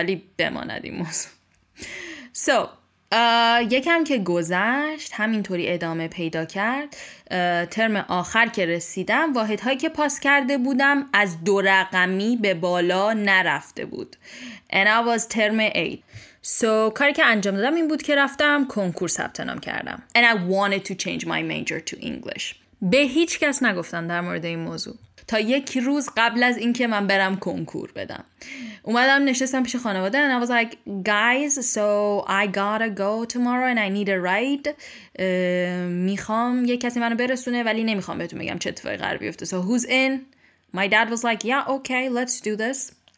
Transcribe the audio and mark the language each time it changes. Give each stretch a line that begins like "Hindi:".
Persian: ولی بماند این موضوع. So یکم که گذشت همینطوری ادامه پیدا کرد. ترم آخر که رسیدم واحدهایی که پاس کرده بودم از دو رقمی به بالا نرفته بود.
English: And I was term 8.
Persian: So کاری که انجام دادم این بود که رفتم کنکور ثبت نام کردم.
English: And I wanted to change my major to English.
Persian: به هیچ کس نگفتم در مورد این موضوع تا یک روز قبل از اینکه من برم کنکور بدم. اومدم نشستم پیش خانواده
English: and I was like guys so I gotta go tomorrow and I need a ride.
Persian: میخوام یک کسی منو برسونه ولی نمیخوام بهتون بگم چه اتفاقی قرار بیفته.
English: So who's in? My dad was like yeah okay let's do this.